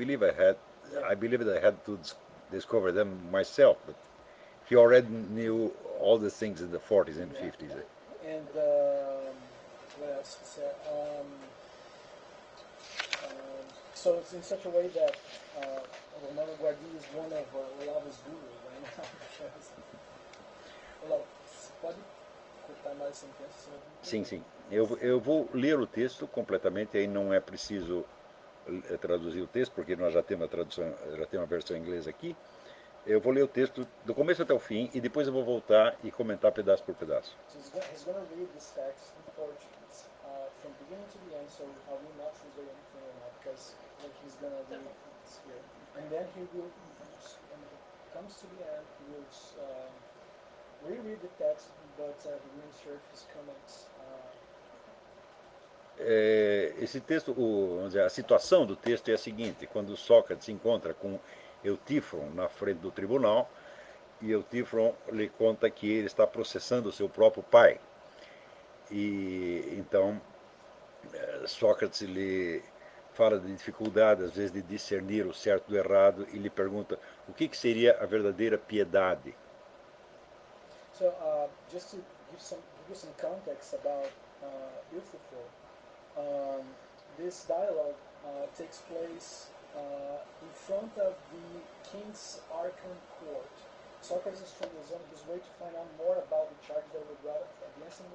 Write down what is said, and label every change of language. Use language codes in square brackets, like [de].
[en] I believe I had to discover them myself, but he already knew all the things in the 40s and 50s. And what else to say? So it's in such a way that Romano Guardini is one of Olavo's gurus right now. [pt] Olavo, pode cortar mais um texto? Sim, sim. Eu vou ler o texto completamente, aí não é preciso traduzir o texto, porque nós já temos a tradução, já temos a versão em inglês aqui. Eu vou ler o texto do começo até o fim e depois eu vou voltar e comentar pedaço por pedaço. [en] He's going to read this text in Portuguese from beginning to the end, so I will not translate anything right now, because like, he's going to read it here. And then he will, when it comes to the end, he will reread the text, but he will insert his comments. [pt] Esse texto, vamos dizer, a situação do texto é a seguinte: quando Sócrates se encontra com Eutífron na frente do tribunal, e Eutífron lhe conta que ele está processando o seu próprio pai. E então Sócrates lhe fala de dificuldade, às vezes, de discernir o certo do errado, e lhe pergunta o que, que seria a verdadeira piedade. [en] So, just to give some context about Eutífron. This dialogue takes place in front of the king's Archon court. Socrates is trying to examine his way to find out more about the charges that were brought against him.